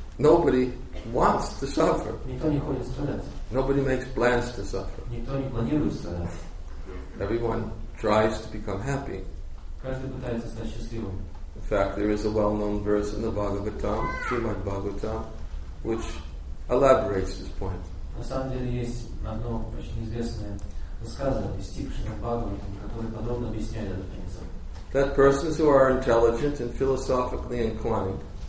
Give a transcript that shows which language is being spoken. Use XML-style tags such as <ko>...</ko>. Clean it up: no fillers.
<en>Nobody wants to suffer.</en> <ru>Никто не хочет страдать.</ru> <en>Nobody makes plans to suffer.</en> <ru>Никто не планирует страдать.</ru> <en>Everyone tries to become happy.</en> <ru>Каждый пытается стать счастливым.</ru> <en>In fact, there is a well-known verse in the Bhagavatam, Srimad Bhagavatam, which elaborates this point.</en> <ru>На самом деле есть одно очень известное высказывание из Стихшина Бхагаватам, которое подробно объясняет этот принцип.</ru> <en>That persons who are intelligent and philosophically inclined</en>